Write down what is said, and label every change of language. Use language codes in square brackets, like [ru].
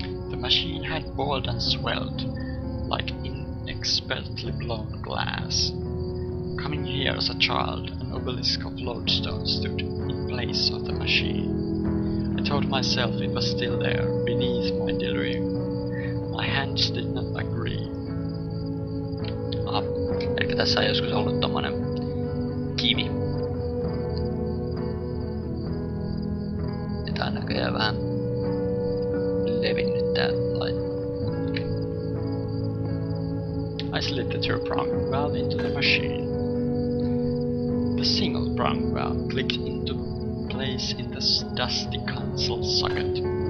[en] The machine had boiled and swelled, like inexpertly blown glass. Coming here as a child, an obelisk of lodestone stood in place of the machine. I told myself it was still there, beneath my delirium. My hands did not agree. [fi] Ehkä tässä ei joskus ollut tommonen kivi. Tää on näköjään vähän levinnyt tää laite. [en] I slid the two prong valve into the machine. The single prong valve clicked into place in the dusty console socket.